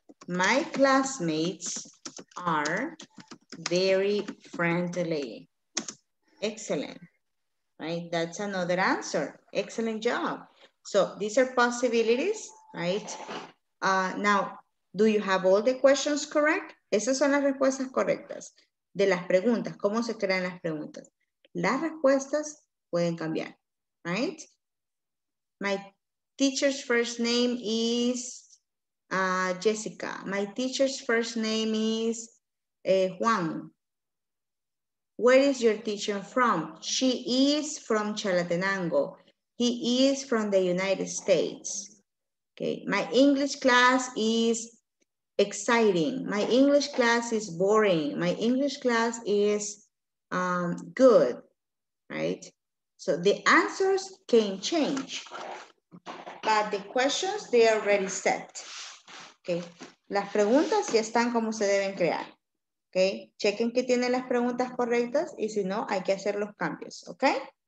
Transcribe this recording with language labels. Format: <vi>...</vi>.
<en>My classmates are very friendly. Excellent, right? That's another answer. Excellent job. So these are possibilities, right? Now, do you have all the questions correct?</en> <es>Esas son las respuestas correctas de las preguntas. ¿Cómo se crean las preguntas? Las respuestas pueden cambiar, right?</es> <en>My teacher's first name is Jessica. My teacher's first name is Juan. Where is your teacher from? She is from Chalatenango. He is from the United States. Okay, my English class is exciting. My English class is boring. My English class is good, right? So the answers can change, but the questions, they are already set.</en> <es>Okay, las preguntas ya están como se deben crear. Okay, chequen que tienen las preguntas correctas y si no, hay que hacer los cambios, okay?</es>